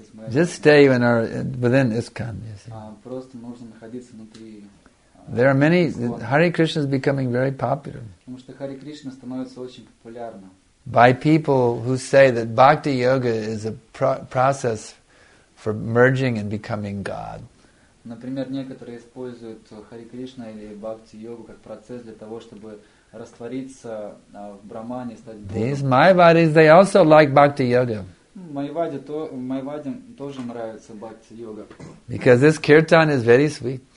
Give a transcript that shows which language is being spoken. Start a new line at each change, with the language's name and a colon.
English: just stay within ISKCON, you see.
Russian: Просто нужно находиться внутри.
English: There are many. Hare Krishna is becoming very popular.
Russian: Потому что Hare Krishna становится очень популярным.
English: By people who say that Bhakti Yoga is a process for merging and becoming God.
Russian: Например, некоторые используют Hare Krishna или Bhakti Yoga как процесс для того, чтобы раствориться в Брахмане, стать Богом.
English: These Mayavadis, they also like Bhakti Yoga.
Russian: Майвадям тоже нравится бхакти-йога.
English: Because this kirtan is very sweet.